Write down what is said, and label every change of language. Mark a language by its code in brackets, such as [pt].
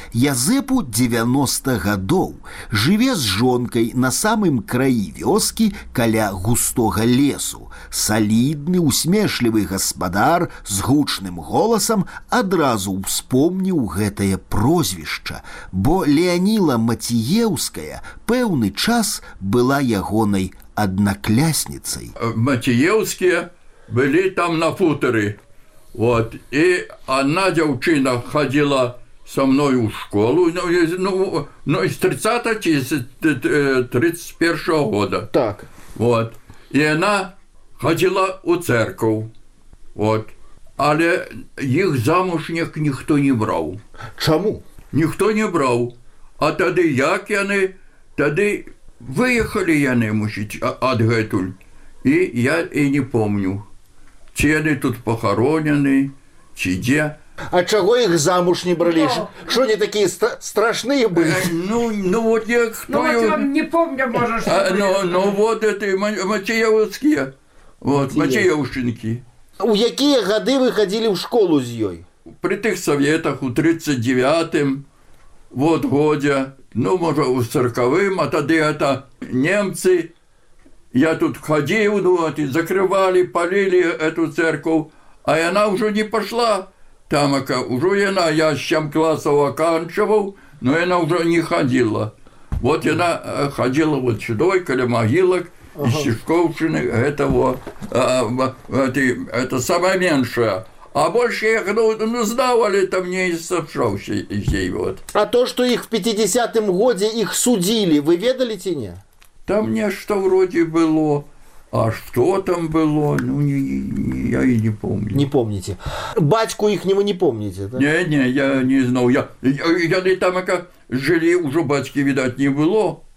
[be] Язэпу 90 гадоў, жыве з жонкай на самым краі вёскі каля густога лесу. Салідны, усмешлівы гаспадар з гучным голасам адразу успомніў гэтае прозвішча, бо Леаніла Маціеўская пэўны час была ягонай однокласницей. [ru] Матиевские были там на футере. Вот. И одна девчина ходила со мной в школу, ну из 30-х, из 31-го года. Так. Вот. И она ходила у церковь. Вот. Але их замужних никто не брал. [be] Чому? [ru] Никто не брал. [be] А тогда як яны, тогда выехали яны, мусіць, адгэтуль, і я і не помню, ці яны тут пахаронены, ці дзе. А чаго іх замуж не бралі? Што не такія страшныя былі? Ну вот я хто... Ну вот я не помню, можа, што былі. Ну вот гэты Маціеўскія, вот, Маціеўшчынкі. У якія гады вы хадзілі ў школу з ёй? Пры тых саветах, у 39-м, вот годзе. Ну, можа, у 40-м, а тады гэта немцы. Я тут хадзіў, ну, закрывалі, палілі эту церкву, а яна ўжо не пашла. Там, ўжо яна, я з 7 класаў аканчаваў, но яна ўжо не хадзіла. Вот яна хадзіла вот сюдой, каля магілак, ага. Із Сішкоўшыны, гэта вот, гэта самая меншая. А больше я, ну, знал, але там не сапшаўся з ёй, вот. [ru] А то, что их в 50-м годзе их судили, вы ведали ці не? Там нешта вроде было, а что там было, ну, не, я и не помню. Не помните. Батьку ихнего не помните, да? Не, я не знал, я там, как жили, уже батьки, видать, не было.